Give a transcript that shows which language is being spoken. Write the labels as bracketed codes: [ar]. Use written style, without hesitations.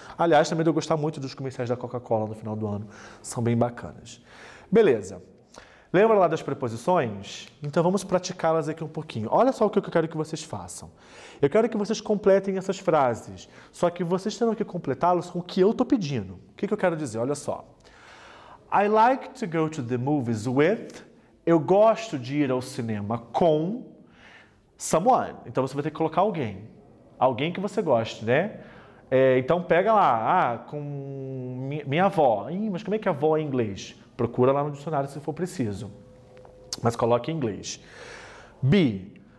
[pt] Aliás, também eu gosto muito dos comerciais da Coca-Cola no final do ano, são bem bacanas. Beleza. Lembra lá das preposições? Então vamos praticá-las aqui um pouquinho. Olha só o que eu quero que vocês façam. Eu quero que vocês completem essas frases, só que vocês terão que completá-las com o que eu estou pedindo. O que que eu quero dizer? Olha só. [en] I like to go to the movies with. [pt] Eu gosto de ir ao cinema com someone. Então você vai ter que colocar alguém. Alguém que você goste, né? É, então pega lá. Ah, com minha avó. Ih, mas como é que a avó é em inglês? Procura lá no dicionário se for preciso. Mas coloque em inglês. B.